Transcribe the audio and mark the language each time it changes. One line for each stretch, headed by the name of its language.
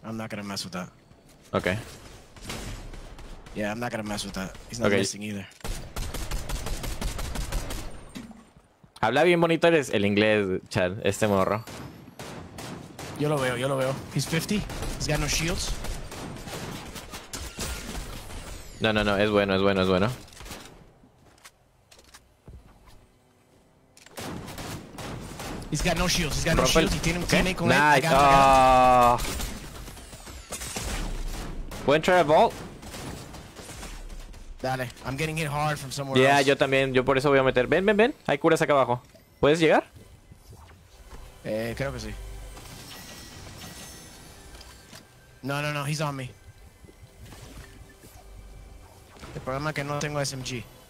English: I'm not gonna mess with that. Okay. Yeah, I'm not gonna mess with that. He's not missing either.
Spanish: Habla bien bonito el inglés, chat, este morro. Yo lo veo.
English: He's 50. He's got no shields.
Spanish: No, es bueno.
English: He's got no shields, he's got no shields. Nice. Oh.
Spanish: Pueden
English: try a vault. Dale, I'm getting hit hard from somewhere yeah, else.
Spanish: Yeah, yo también, yo por eso voy a meter. Ven. Hay curas acá abajo. ¿Puedes llegar? Creo que sí.
English: No, no, no, he's on me.
Spanish: El problema es que no tengo SMG.